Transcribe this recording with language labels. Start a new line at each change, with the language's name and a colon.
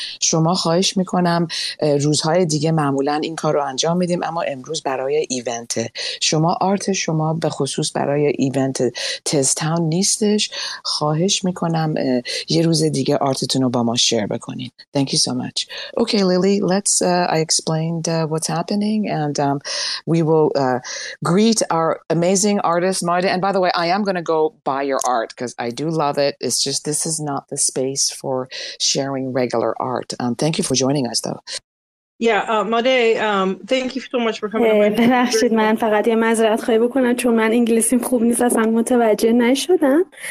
Persian: شما خواهش میکنم روزهای دیگه معمولا این کار رو انجام میدیم، اما امروز برای ایونت. شما آرت شما به خصوص برای ایونت تزتاون نیستش. خواهش میکنم یه روز دیگه آرتتون رو با ما شیر بکنین.
English: Thank you so much. Okay, Lily, let's. I explained what's happening, and we will greet our amazing artist, Maide. And by the way, I am going to go buy your art because I do love it. It's just this is not the space for sharing regular art. Thank you for joining us, though. Yeah, Maide, thank you so much for coming.
Persian: ببخشید من فقط یه معذرت خواهی بکنم چون من انگلیسیم خوب نیست، اصلا متوجه نشدم.